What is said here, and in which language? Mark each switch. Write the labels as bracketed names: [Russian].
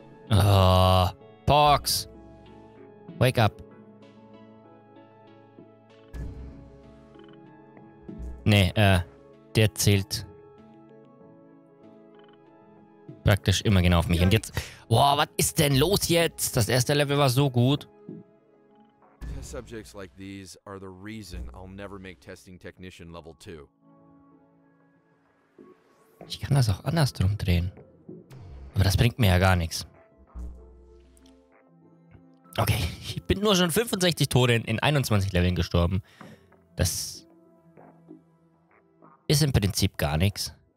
[English] Oh, Pox. Wake up. [German] Der zählt praktisch immer genau auf mich. Und jetzt... Boah, was ist denn los jetzt? Das erste Level war so gut. [English] Subjects like these are the reason I'll never make testing technician level 2. [German] Ich kann das auch andersrum drehen. Aber das bringt mir ja gar nichts. Okay, ich bin nur schon 65 Tode in 21 Leveln gestorben. Das ist im Prinzip gar nichts.